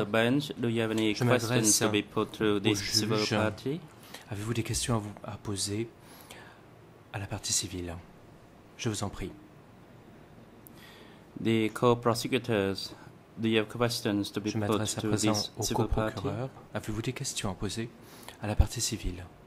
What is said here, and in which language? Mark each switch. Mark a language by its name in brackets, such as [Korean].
[English] of the bench, do you have any questions to be put to this civil party? [French] Avez-vous des questions à poser à la partie civile? Je vous en prie. [English] The co-prosecutors, do you have questions to be [French] Je m'adresse à présent au co-procureur. Avez-vous des questions à poser à la partie civile?